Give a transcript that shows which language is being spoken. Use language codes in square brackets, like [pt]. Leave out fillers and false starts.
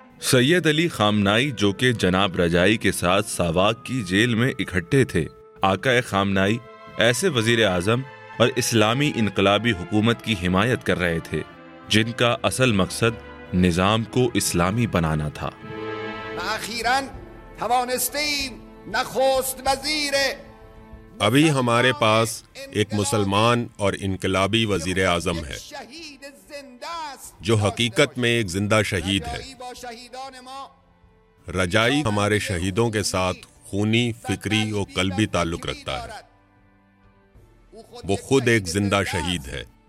[ur] سید علی خامنائی، جو کہ جناب رجائی کے ساتھ ساواک کی جیل میں اکٹھے تھے، آقا خامنائی ایسے وزیر اعظم اور اسلامی انقلابی حکومت کی حمایت کر رہے تھے جن کا اصل مقصد نظام کو اسلامی بنانا تھا۔ [fa] آخراً توانستیم نخست وزیر، [ur] ابھی ہمارے پاس ایک مسلمان اور انقلابی وزیر اعظم ہے جو حقیقت میں ایک زندہ شہید ہے۔ رجائی ہمارے شہیدوں کے ساتھ خونی، فکری اور قلبی تعلق رکھتا ہے، وہ خود ایک زندہ شہید ہے۔